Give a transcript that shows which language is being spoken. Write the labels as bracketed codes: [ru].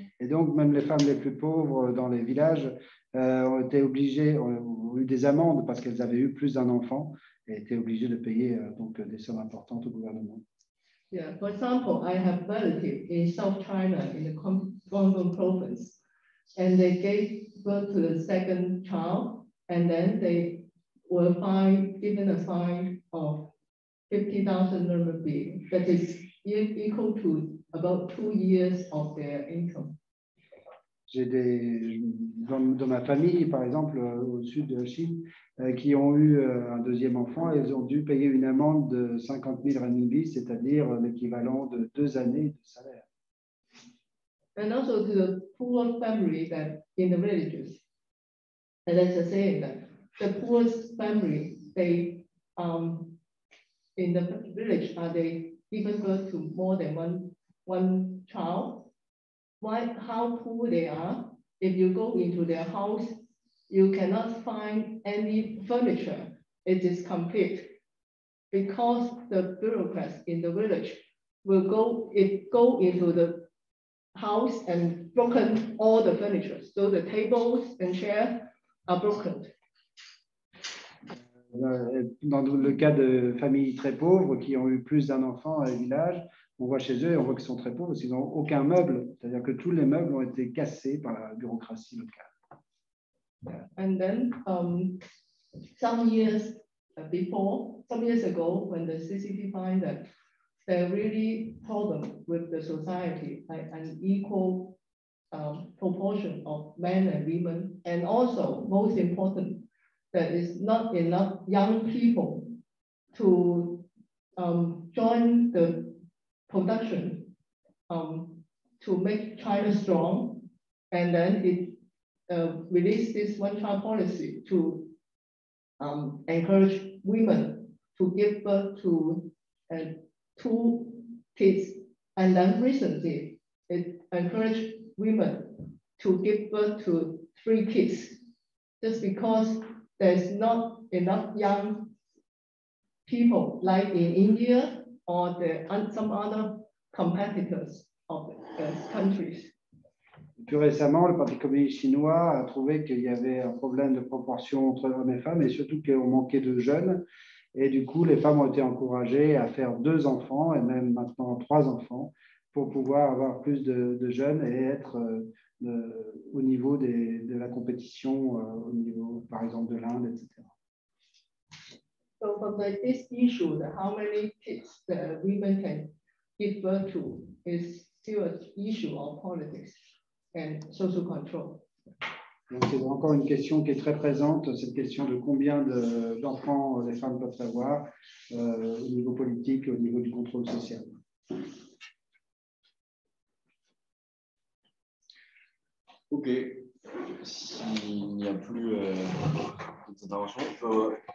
[fr] Et donc, même les femmes les plus pauvres dans les villages ont été obligées, ont eu des amendes parce qu'elles avaient eu plus d'un enfant et étaient obligées de payer donc, des sommes importantes au gouvernement. [en] Yeah. For example, I have a relative in South China, in the Guangdong province, and they gave birth to the second child, and then they were fined, given a fine of 50,000 RMB, that is equal to about 2 years of their income. [fr] J'ai des dans ma famille, par exemple, au sud de la Chine, qui ont eu un deuxième enfant, et ils ont dû payer une amende de 50 000 renminbi, c'est-à-dire l'équivalent de 2 années de salaire. [en] And also to the poor family that in the villages, and as I say, the poorest family they in the village are they given birth to more than one child? Why, how poor they are? If you go into their house, you cannot find any furniture. It is complete because the bureaucrats in the village will go into the house and broken all the furniture. So the tables and chairs are broken. [fr] Dans le cas de familles très pauvres qui ont eu plus d'un enfant à un village, on voit chez eux et on voit qu'ils sont très pauvres, ils n'ont aucun meuble, c'est-à-dire que tous les meubles ont été cassés par la bureaucratie locale. [en] And then, some years ago, when the CCP find that there are really problem with the society, like an equal proportion of men and women, and also, most important, that is not enough young people to join the production to make China strong, and then it released this one child policy to encourage women to give birth to two kids, and then recently it encouraged women to give birth to three kids just because there's not enough young people like in India or some other competitors of those countries. [fr] Plus récemment, le Parti communiste chinois a trouvé qu'il y avait un problème de proportion entre hommes et femmes, et surtout qu'on manquait de jeunes. Et du coup, les femmes ont été encouragées à faire 2 enfants, et même maintenant 3 enfants, pour pouvoir avoir plus de jeunes et être au niveau de la compétition, au niveau, par exemple, de l'Inde, etc. [en] So from this issue, how many kids the women can give birth to is still an issue of politics and social control. [fr] Donc c'est encore une question qui est très présente, cette question de combien d'enfants les femmes peuvent avoir au niveau politique, au niveau du contrôle social. Ok, s'il n'y a plus d'intervention, il faut.